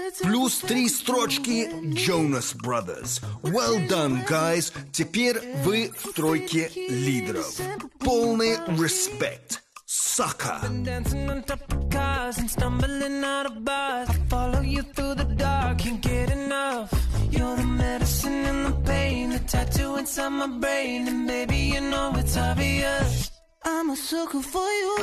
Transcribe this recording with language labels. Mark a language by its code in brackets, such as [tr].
[ru] Плюс 3 строчки, Jonas Brothers. [en] Well done, guys. [ru] Теперь вы в тройке лидеров. Полный респект. Sucker. [en] Been dancing on top of cars and stumbling out of bars. I follow you through the dark, can't get enough. You're the medicine and the pain, the tattoo inside my brain. And baby, you know it's obvious. I'm a sucker for you.